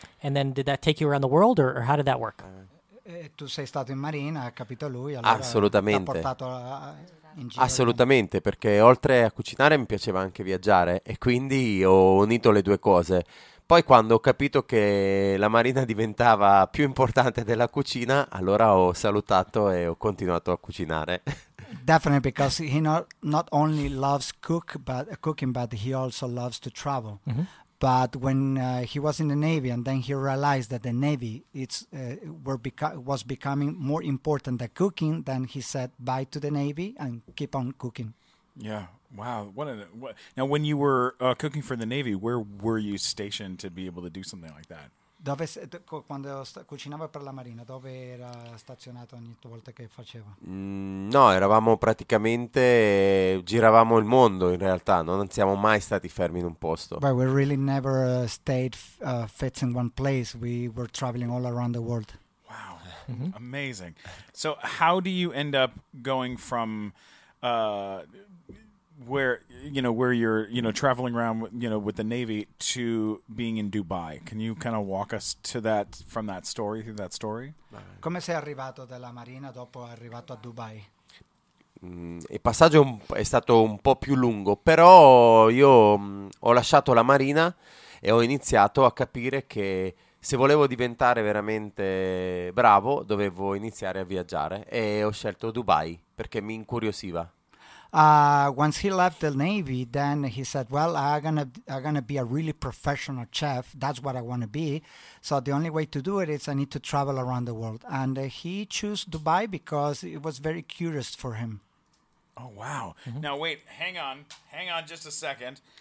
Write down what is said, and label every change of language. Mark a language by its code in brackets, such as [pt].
[en] And then did that take you around the world, or how did that work? [it] Tu sei stato in Marina, ha capito lui. Allora assolutamente. T'ha portato in giro. Assolutamente, perché oltre a cucinare mi piaceva anche viaggiare e quindi ho unito le due cose. Poi quando ho capito che la Marina diventava più importante della cucina, allora ho salutato e ho continuato a cucinare. [en] Definitely, because he not only loves cooking, but he also loves to travel. Mm-hmm. But when he was in the Navy, and then he realized that the Navy was becoming more important than cooking, then he said bye to the Navy and keep on cooking. Yeah. Wow. Now, when you were cooking for the Navy, where were you stationed to be able to do something like that? [it] Dove quando cucinava per la Marina, dove era stazionato ogni volta che faceva? No, eravamo praticamente giravamo il mondo in realtà, non siamo mai stati fermi in un posto. [en] But we really never stayed fixed in one place. We were traveling all around the world. Wow. Mm-hmm. Amazing. So, how do you end up going from where you're traveling around, you know, with the Navy to being in Dubai? Can you kind of walk us to that from that story, through that story? [it] Come sei arrivato dalla Marina dopo arrivato a Dubai? Il passaggio è stato un po' più lungo, però io ho lasciato la Marina e ho iniziato a capire che se volevo diventare veramente bravo, dovevo iniziare a viaggiare e ho scelto Dubai perché mi incuriosiva. [en] Once he left the Navy, then he said, well, I'm gonna be a really professional chef. That's what I want to be. So the only way to do it is I need to travel around the world. And he chose Dubai because it was very curious for him. Oh, wow. Mm-hmm. Now, wait, hang on just a second.